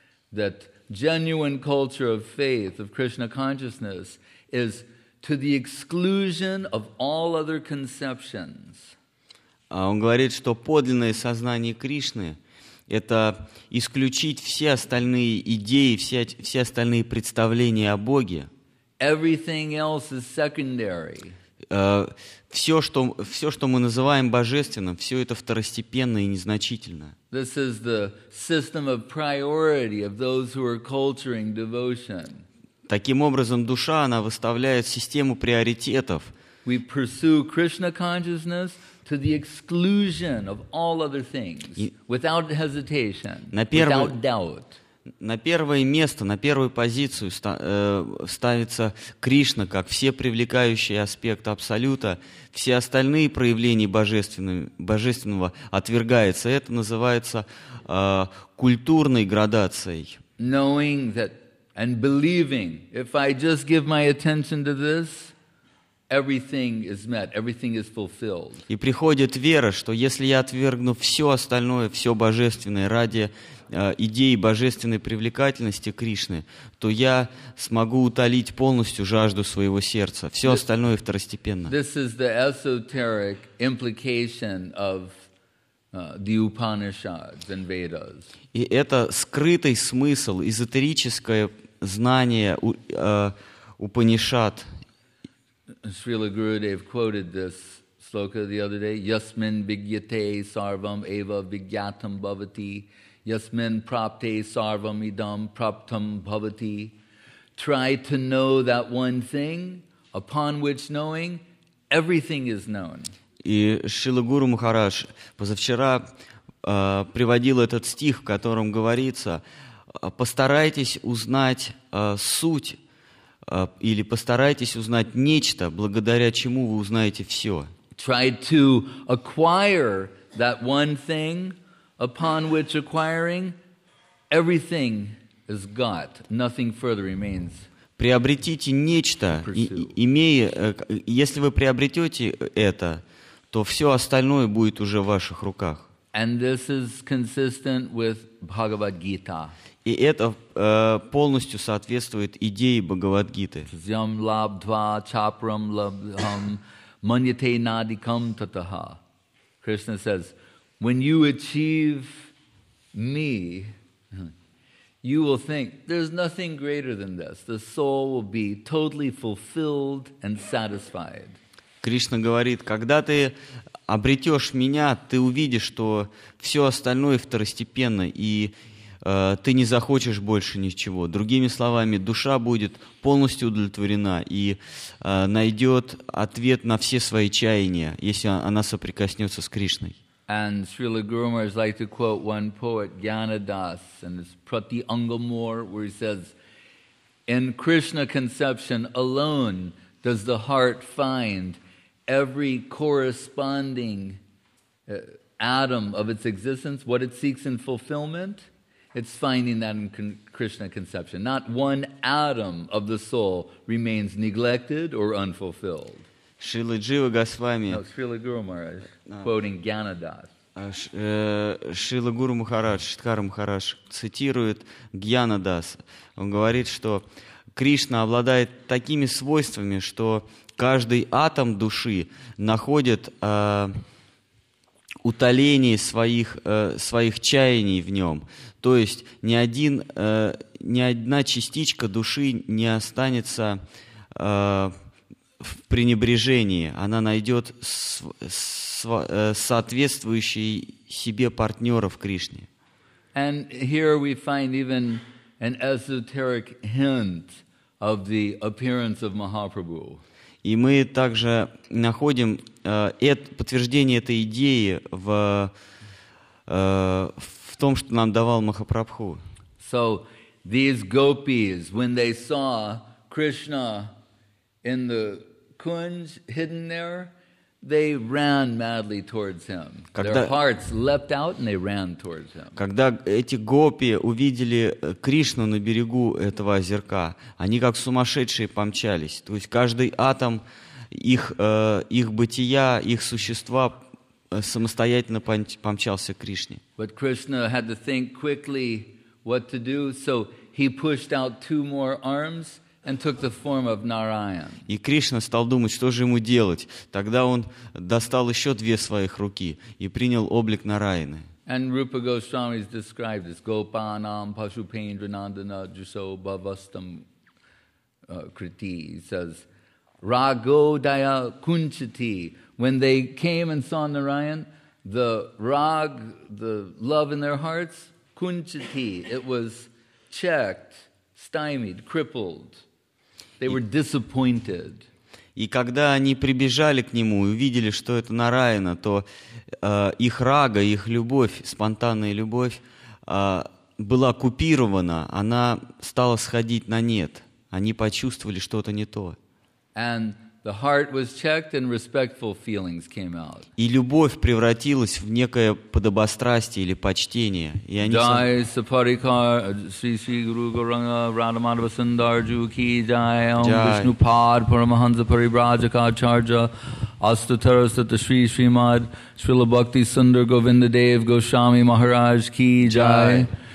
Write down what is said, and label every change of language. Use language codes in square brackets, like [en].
[en] That genuine culture of faith, of Krishna consciousness, is to the exclusion of all other conceptions. [ru] Он говорит, что подлинное сознание Кришны — это исключить все остальные идеи, все остальные представления о Боге. [en] Everything else is secondary. [ru] Все, что мы называем божественным, все это второстепенно и незначительно. [en] This is the system of priority of those who are culturing devotion. [ru] Таким образом, душа, она выставляет систему приоритетов. [en] We pursue Krishna consciousness to the exclusion of all other things, without hesitation, without doubt. [ru] На первое место, на первую позицию ставится Кришна как всепривлекающий аспект Абсолюта. Все остальные проявления божественного отвергаются. Это называется культурной градацией. [en] Knowing that and believing, if I just give my attention to this, everything is met, everything is fulfilled. [ru] И приходит вера, что если я отвергну все остальное, все божественное ради идеи божественной привлекательности Кришны, то я смогу утолить полностью жажду своего сердца. Все остальное второстепенно. [en] This is the esoteric implication of the Upanishads and Vedas. [ru] И это скрытый смысл, эзотерическое знание Упанишад. [en] Srila Gurudev quoted this sloka the other day. [sa] Yasmin vigyate sarvam eva vigyatam bhavati. Yasmin prapte sarvam idam praptam bhavati. [en] Try to know that one thing upon which knowing everything is known. [ru] И Шрила Гуру Махарадж позавчера приводил этот стих, в котором говорится: постарайтесь узнать суть, или постарайтесь узнать нечто, благодаря чему вы узнаете все. [en] Try to acquire that one thing upon which acquiring everything is got. Nothing further remains. [ru] Приобретите нечто, имея, если вы приобретете это, то все остальное будет уже в ваших руках. [en] And this is consistent with Bhagavad Gita. [ru] И это полностью соответствует идее Бхагавад-гиты. [sa] Зям лабдва чапрам лабдхам Manyate nadikam tataha. [en] Krishna says, when you achieve me, you will think, there's nothing greater than this. The soul will be totally fulfilled and satisfied. [ru] Krishna говорит, когда ты обретешь меня, ты увидишь, что все остальное второстепенно, и ты не захочешь больше ничего. Другими словами, душа будет полностью удовлетворена и найдет ответ на все свои чаяния, если она соприкоснется с Кришной. [en] And Srila Guru Maharaj likes to quote one poet, Gyanadas, and it's Prati Angamor, where he says, in Krishna conception alone does the heart find every corresponding atom of its existence, what it seeks in fulfillment. It's finding that in Krishna conception. Not one atom of the soul remains neglected or unfulfilled. Srila Jiva Goswami. No, Srila Guru Maharaj, quoting Gyanadas. [ru] Шрила Гуру Махарадж, Шридхара Махарадж цитирует Гьянадас. Он говорит, что Кришна обладает такими свойствами, что каждый атом души находит утоление своих чаяний в нем. То есть ни одна частичка души не останется в пренебрежении. Она найдет соответствующий себе партнера в Кришне. [en] And here we find even an esoteric hint of the appearance of Mahaprabhu. [ru] И мы также находим подтверждение этой идеи в том, что нам давал Махапрабху. [en] So these gopis, when they saw Krishna in the kunj hidden there, they ran madly towards him. Their hearts leapt out and they ran towards him. [ru] Когда эти гопи увидели Кришну на берегу этого озерка, они как сумасшедшие помчались. То есть каждый атом их бытия, их существа самостоятельно помчался к Кришне. [en] But Krishna had to think quickly what to do, so he pushed out two more arms and took the form of Narayan. [ru] И Кришна стал думать, что же ему делать. Тогда он достал еще две своих руки и принял облик Нараяны. [en] And Rupa Goswami is described as [sa] Gopanam Pashupendra Nandana Jusho Bhavastam Kriti. [en] He says, [sa] Rago Daya Kunchati. [en] When they came and saw Narayan, the rag, the love in their hearts, Kunchati, it was checked, stymied, crippled. They were disappointed. [ru] И когда они прибежали к нему и увидели, что это Нараяна, то их рага, их любовь, спонтанная любовь была купирована, она стала сходить на нет. Они почувствовали что-то не то. [en] And the heart was checked and respectful feelings came out. [ru] И любовь превратилась в некое подобострастие или почтение. И они [sa] Дай сапарикар, Шри Шри Гуру Гауранга, Радха Мадхава Сандарджу, Ки Дай, Ом Вишну Пад, Парамаханса Парибраджака, Чарджа, Астатара Сатта Шри Шри Мад, Шрила Бхакти Сундар Говинда Дев, Гошами Махарадж, Ки Дай.